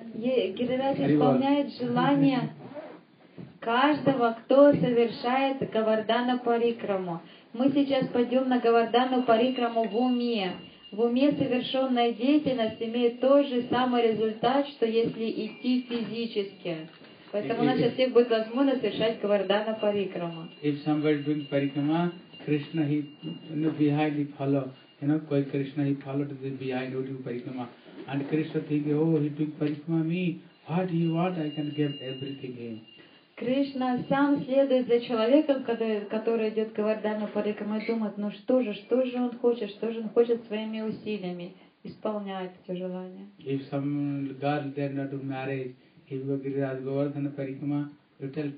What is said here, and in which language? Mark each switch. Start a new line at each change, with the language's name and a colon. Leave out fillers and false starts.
Russian: Гирираджи исполняет желание каждого, кто совершает Говардана Парикраму. Мы сейчас пойдем на Говардану Парикраму в уме. В уме совершенная деятельность имеет тот же самый результат, что если идти физически. Поэтому у нас сейчас всех будет возможность совершать Говардана Парикраму.
English: If somebody doing Parikrama, Krishna he, you know, behind he follow. You know, Krishna he followed behind who do Parikrama. And Krishna thinks, oh, he took parikrama me. What he want, I can give everything him.
Russian: Krishna сам следует за человеком, который идет к Говардану парикрама, и думает, ну что же он хочет, что же он хочет своими усилиями исполнять эти желания.
English: If some girl they're not to marry, if you give Raj Govardhana parikrama, you tell,